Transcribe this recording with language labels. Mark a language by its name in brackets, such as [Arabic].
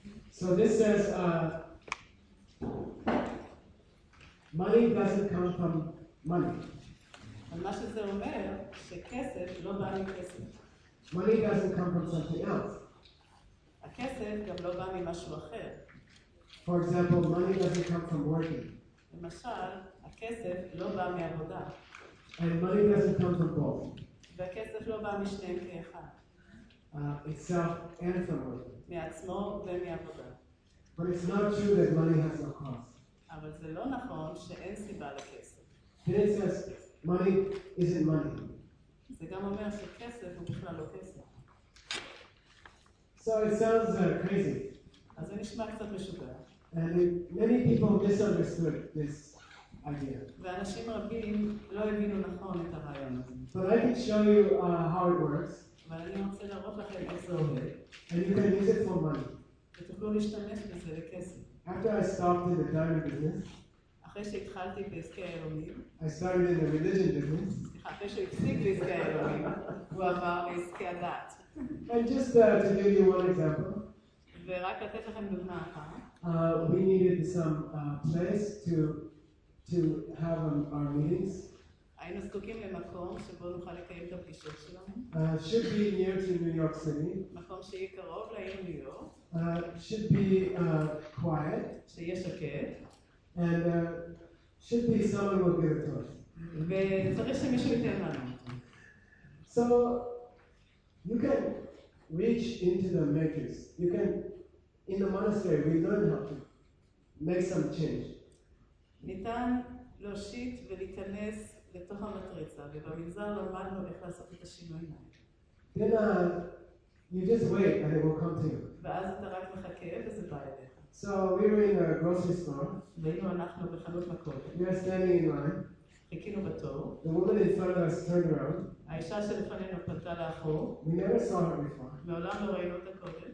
[English] So this says, money doesn't come from money. [Hebrew] מה שזה אומר, שכסף לא בא מכסף. [English] Money doesn't come from something else. [Hebrew] הכסף גם לא בא ממשהו אחר. [English] For example, money doesn't come from working. [Hebrew] למשל, הכסף לא בא מעבודה. [English] And money doesn't come from both. [Hebrew] והכסף לא בא משניהם כאחד. [English] Itself and from working. [Hebrew] מעצמו ומעבודה. [English] But it's not true that money has no cost. [Hebrew] אבל זה לא נכון שאין סיבה לכסף. [English] Then it says, money isn't money. [Hebrew] זה גם אומר שכסף הוא בכלל לא כסף. [English] So it sounds crazy. [Hebrew] אז זה נשמע קצת משוגע. [English] And many people misunderstood this idea. [Hebrew] ואנשים רבים לא הבינו נכון את הרעיון הזה. [English] But I can show you how it works. [Hebrew] אבל אני רוצה להראות לכם איך זה עובד. [English] And you can use it for money. [Hebrew] ותוכלו להשתמש בזה לכסף. [English] After I stopped in the diamond business, [Hebrew] אחרי שהתחלתי בעסקי האלומים, [English] I started in the religion business. [Hebrew] אחרי שהפסיק בעסקי האלומים, הוא עבר לעסקי הדת. [English] And just to give you one example, [Hebrew] ורק לתת לכם דוגמה אחת, [English] We needed some place to have our meetings. [Hebrew] היינו זקוקים למקום שבו נוכל לקיים את הפגישות שלנו. [English] Should be near to New York City. [Hebrew] מקום שיהיה קרוב לעיר ניו יורק. [English] Should be quiet. [Hebrew] שיהיה שקט. [English] And should be someone will give a talk. [Hebrew] וצריך שמישהו ייתן לנו. [English] So you can reach into the matrix. You can. In the monastery, we learn how to make some change. [Hebrew] ניתן להושיט ולהיכנס לתוך המטריצה, ובמגזר למדנו איך לעשות את השינוי מהם. [English] Then you just wait and it will come to you. [Hebrew] ואז אתה רק מחכה וזה בא אליך. [English] So we were in a grocery store. [Hebrew] והיינו אנחנו בחנות מקום. [English] We were standing in line. [Hebrew] חיכינו בתור. [English] The woman in front of us turned around. [Hebrew] האישה שלפנינו פנתה לאחור. [English] We never saw her before. [Hebrew] מעולם לא ראינו אותה קודם.